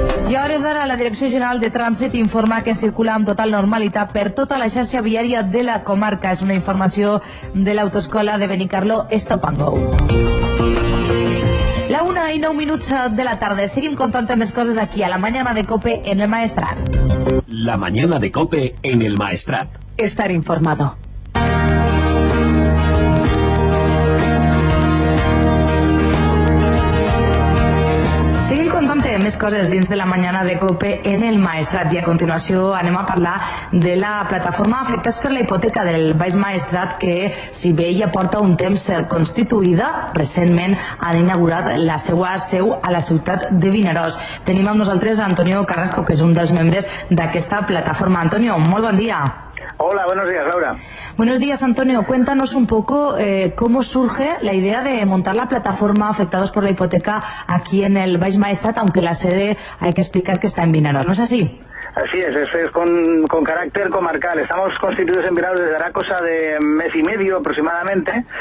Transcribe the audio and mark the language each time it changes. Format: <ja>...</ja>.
<ca>I a hores d'ara, la Direcció General de Trànsit informa que circula amb total normalitat per tota la xarxa viària de la comarca. És una informació de l'autoescola de Benicarló, Stop and Go. La 1:09 de la tarda. Seguim contant més coses aquí a la mañana de COPE en el Maestrat. La mañana de COPE en el Maestrat.</ca> <es>Estar informado.</es> <ca>Més coses dins de la mañana de COPE en el Maestrat. I a continuació anem a parlar de la plataforma Afectats per la Hipoteca del Baix Maestrat, que si bé ja porta un temps constituïda, recentment han inaugurat la seva seu a la ciutat de Vinaròs. Tenim amb nosaltres Antonio Carrasco, que és un dels membres d'aquesta plataforma. Antonio, molt bon dia.</ca> <es>Hola, buenos días, Laura. Buenos días, Antonio. Cuéntanos un poco cómo surge la idea de montar la plataforma Afectados por la Hipoteca aquí en el Baix Maestrat, aunque la sede hay que explicar que está en Vinaròs, ¿no es así? Así es con carácter comarcal. Estamos constituidos en Vinaròs desde la cosa de mes y medio aproximadamente.</es>